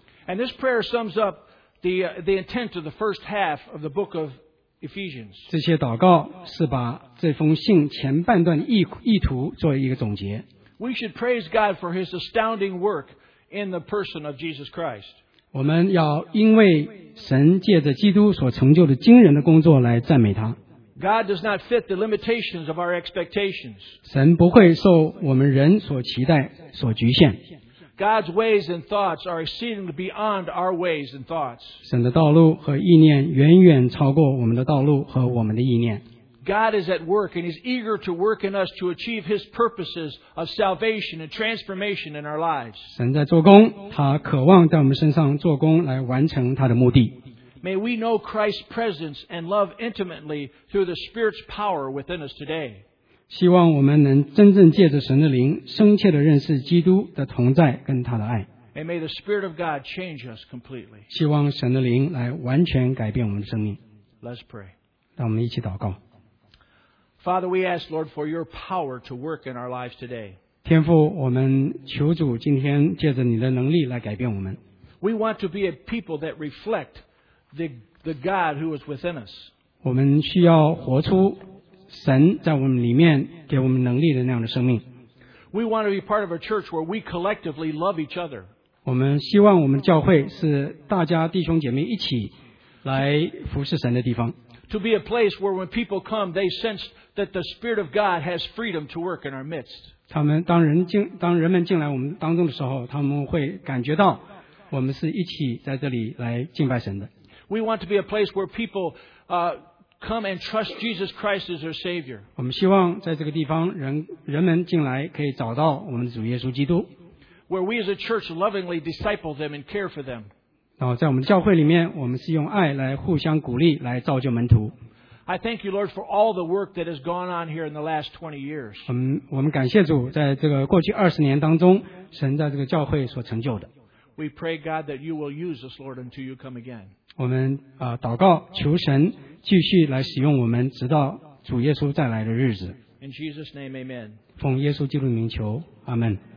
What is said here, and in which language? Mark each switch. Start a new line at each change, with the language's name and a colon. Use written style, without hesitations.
English: And this prayer sums up the intent of the first half of the book of Ephesians.
Chinese: 这些祷告是把这封信前半段意图做一个总结。
English: We should praise God for His astounding work in the person of Jesus Christ.
Chinese: 我们要因为神借着基督所成就的惊人的工作来赞美他。God
English: does not fit the limitations of our expectations.
Chinese: 神不会受我们人所期待所局限。God's
English: ways and thoughts are exceedingly beyond our ways and thoughts.
Chinese: 神的道路和意念远远超过我们的道路和我们的意念。God
English: is at work and He's eager to work in us to achieve His purposes of salvation and transformation in our lives.
Chinese: 神在做工，他渴望在我们身上做工，来完成他的目的。
English: May we know Christ's presence and love intimately through the Spirit's power within us today.
Chinese: 希望我们能真正借着神的灵，深切地认识基督的同在跟他的爱。
English: And may the Spirit of God change us completely.
Chinese: 希望神的灵来完全改变我们的生命。
English: Let's pray.
Chinese: 让我们一起祷告。
English: Father, we ask, Lord, for your power to work in our lives today.
Chinese: 天父，我们求主今天借着你的能力来改变我们。
English: We want to be a people that reflect the God who is within us.
Chinese: 我们需要活出神在我们里面给我们能力的那样的生命。
English: We want to be part of a church where we collectively love each other.
Chinese: 我们希望我们教会是大家弟兄姐妹一起来服侍神的地方。
English: To be a place where when people come, they sense that the Spirit of God has freedom to work in our midst.
Chinese: 他们当人们进来我们当中的时候，他们会感觉到我们是一起在这里来敬拜神的。
English: We want to be a place where people come and trust Jesus Christ as their Savior.
Chinese: 我们希望在这个地方人们进来可以找到我们的主耶稣基督。
English: Where we as a church lovingly disciple them and care for them.
Chinese: 然后在我们教会里面，我们是用爱来互相鼓励，来造就门徒。
English: I thank you, Lord, for all the work that has gone on here in the last 20 years.
Chinese: 我们感谢主，在这个过去20年当中，神在这个教会所成就的。
English: We pray God that you will use us, Lord, until you come again.
Chinese: 我们祷告求神。继续来使用我们，直到主耶稣再来的日子。
English: In Jesus' name, amen.
Chinese: 奉耶稣基督的名求，阿门。